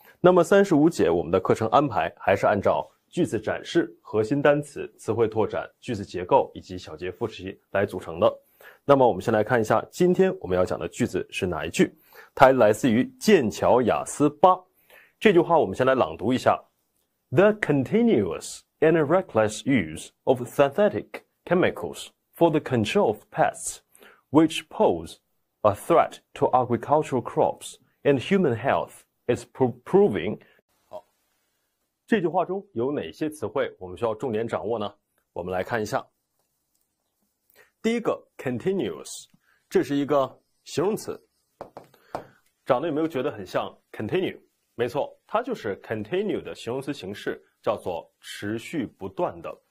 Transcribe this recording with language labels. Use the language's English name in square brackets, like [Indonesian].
[Chinese] 那么35节我们的课程安排还是按照句子展示、核心单词、词汇拓展、句子结构以及小节复习来组成的。那么我们先来看一下今天我们要讲的句子是哪一句。它来自于剑桥雅思8。这句话我们先来朗读一下。 [English] The continuousAnd a reckless use of synthetic chemicals for the control of pests, which pose a threat to agricultural crops and human health, is proving. [Chinese] 好，这句话中有哪些词汇我们需要重点掌握呢？我们来看一下。第一个 continuous， 这是一个形容词，长得有没有觉得很像 continue？没错，它就是 continue 的形容词形式。叫做持续不断的。